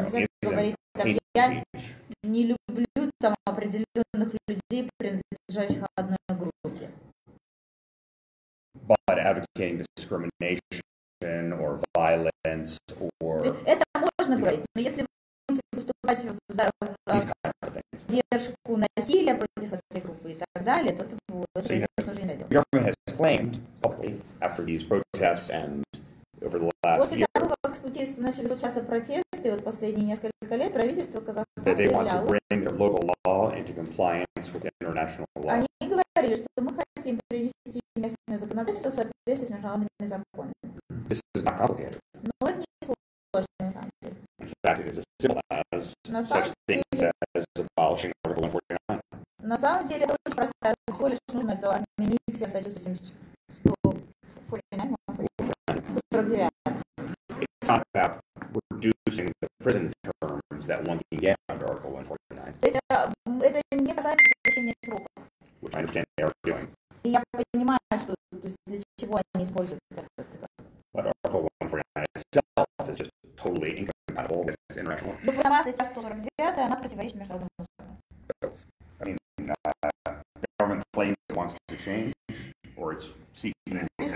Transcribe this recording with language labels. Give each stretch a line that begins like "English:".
Russian: Нельзя говорить, там, я не люблю там определенных людей, принадлежащих одной группе.
English: But advocating discrimination or violence or...
Russian: Это можно говорить, но если вы будете выступать за поддержку насилия против этой группы и так далее, то это можно уже не найти.
English: The government has claimed publicly after these protests and over the last year.
Russian: После того, как начали случаться протесты, вот последние несколько лет правительство Казахстана заявляло, они говорили, что мы хотим привести местное законодательство в соответствии с международными законами.
English: This is not complicated.
Russian: Но это не сложно, на самом деле.
English: In fact, it is as simple as such things as abolishing Article 149.
Russian: На самом деле, это очень просто. Всего лишь нужно это отменить статью 149.
English: It's not about reducing the prison terms that one can get under Article 149.
Russian: То есть это не касается сокращения сроков.
English: Which I understand they are doing.
Russian: И я понимаю, что то есть для чего они используют это.
English: But Article 149 itself is just totally incompatible with international.
Russian: Но для вас статья 149, она противоречит международному закону.
English: Government claims it wants to change, or it's seeking an